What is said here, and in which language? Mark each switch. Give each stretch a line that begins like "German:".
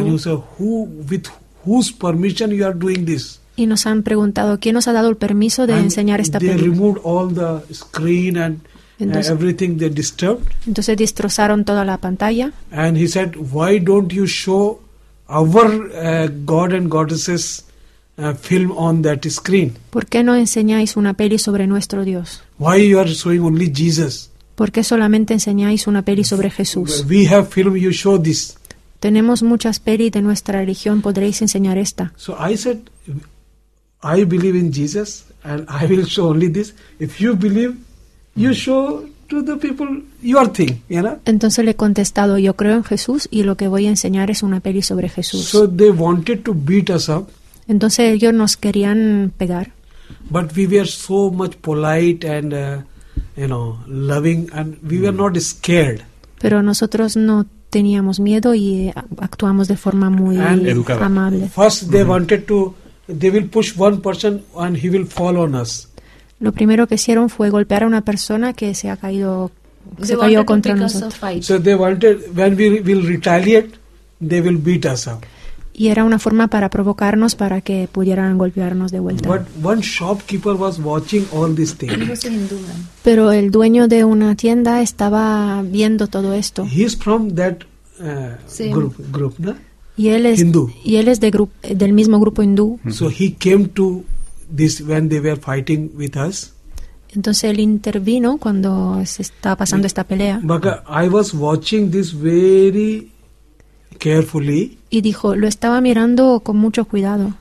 English: And you say, whose permission you are doing this?
Spanish: y nos han preguntado quién nos ha dado el permiso de enseñar esta película.
English: They removed all the screen and everything they disturbed.
Spanish: Entonces destrozaron toda la pantalla.
English: And he said, why don't you show our God and Goddesses film on that screen?
Spanish: ¿Por qué no enseñáis una peli sobre nuestro Dios?
English: Why you are showing only Jesus?
Spanish: ¿Por qué solamente enseñáis una peli sobre Jesús?
English: We have film, you show this.
Spanish: Tenemos muchas pelis de nuestra religión, podréis enseñar esta.
English: So I said, I believe in Jesus and I will show only this. If you believe, you show to the people your thing, you know?
Spanish: Entonces le he contestado, yo creo en Jesús y lo que voy a enseñar es una peli sobre Jesús.
English: So they wanted to beat us up.
Spanish: Entonces ellos nos querían pegar.
English: But we were so much polite and loving and we were not scared.
Spanish: Pero nosotros no teníamos miedo y actuamos de forma muy amable.
English: First they wanted to, they will push one person and he will fall on us.
Spanish: Lo primero que hicieron fue golpear a una persona que se ha caído, se cayó contra nosotros.
English: So they wanted, when we will retaliate, they will beat us up.
Spanish: Y era una forma para provocarnos para que pudieran golpearnos de vuelta.
English: But one shopkeeper was watching all these things.
Spanish: Pero el dueño de una tienda estaba viendo todo esto.
English: He's from that group, no?
Spanish: Y él es hindú. Y él es del mismo grupo hindú.
English: So he came to this when they were fighting with us.
Spanish: Entonces él intervino cuando se estaba pasando esta pelea.
English: But I was watching this very carefully.
Spanish: Y dijo, lo estaba mirando con mucho cuidado.